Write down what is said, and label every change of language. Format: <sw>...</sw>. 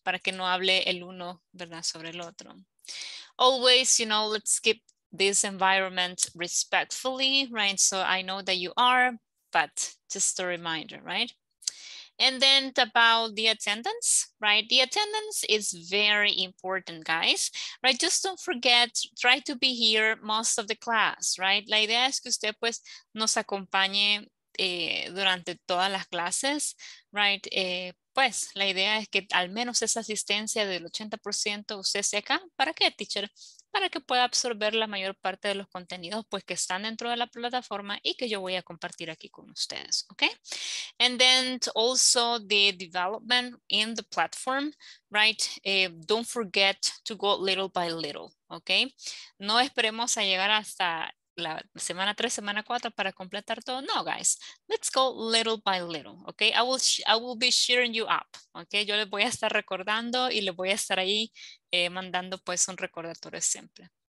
<es>Para que no hable el uno, ¿verdad? Sobre el otro.</es> <en>Always, you know, let's keep this environment respectfully, right? So I know that you are, but just a reminder, right? And then about the attendance, right? The attendance is very important, guys, right? Just don't forget, try to be here most of the class, right?</en> <es>La idea es que usted pues nos acompañe durante todas las clases, right? Pues la idea es que al menos esa asistencia del 80% usted se acá. ¿Para qué, teacher? Para que pueda absorber la mayor parte de los contenidos pues que están dentro de la plataforma y que yo voy a compartir aquí con ustedes, ¿ok?</es> <en>And then also the development in the platform, right? Don't forget to go little by little, ¿ok?</en> <es>No esperemos a llegar hasta la semana 3, semana 4 para completar todo.</es> <en>No, guys, let's go little by little, okay? I will be cheering you up, okay?</en> <es>Yo les voy a estar recordando y les voy a estar ahí mandando pues un recordatorio siempre.</es>